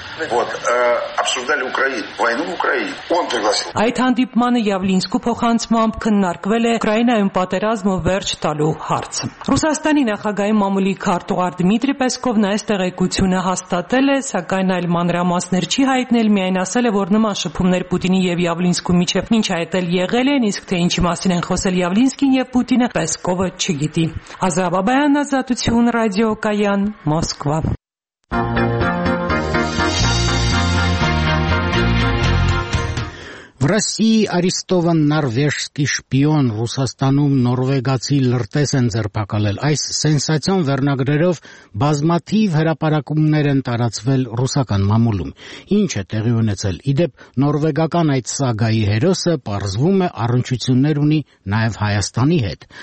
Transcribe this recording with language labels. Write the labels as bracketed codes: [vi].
[ru] Вот, обсуждали Украину, войну в Украине. Он пригласил. [hy] Այդ հանդիպմանը եւ Լինսկու փոխանցումը քննարկվել է Ուկրաինայում պատերազմը վերջ տալու հարցը։ Ռուսաստանի նախագահի մամուլի քարտուղար Դմիտրի Պեսկովն այս տեղեկությունը հաստատել է, սակայն այլ մանրամասներ չի հայտնել, միայն ասել է, որ նման շփումներ Պուտինի եւ Յավլինսկու միջեւ ինչ հայտել եղել են, իսկ թե ինչի մասին են խոսել Յավլինսկին եւ Պուտինը, Պեսկովը չգիտի։ Ազա Բաբայան, Ազատություն, Ռադիո Կայան, Մոսկվա։ [ru] В России арестован норвежский шпион. [hy] Ռուսաստանում նորվեգացի լրտես են ձերբակալել. Այս սենսացիոն վերնագրերով բազմաթիվ հրապարակումներ են տարածվել ռուսական մամուլում. Ինչ է տեղի ունեցել? Իդեպ, նորվեգական այդ սագայի հերոսը պարզվում է առնչություններ ունի նաև Հայաստանի հետ.